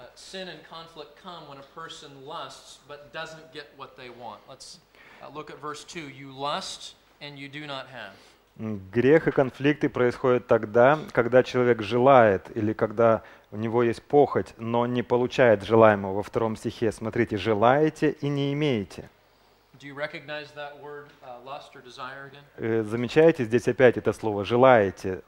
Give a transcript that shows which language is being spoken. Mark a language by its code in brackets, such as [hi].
[en] Sin and conflict come when a person lusts but doesn't get what they want. Let's look at verse 2. You lust and you do not have. [ru] Грех и конфликты происходят тогда, когда человек желает или когда у него есть похоть, но не получает желаемого. Во втором стихе смотрите: желаете и не имеете. [en] Do you recognize that word, lust or desire again? [ru] Замечаете здесь опять это слово «желаете»?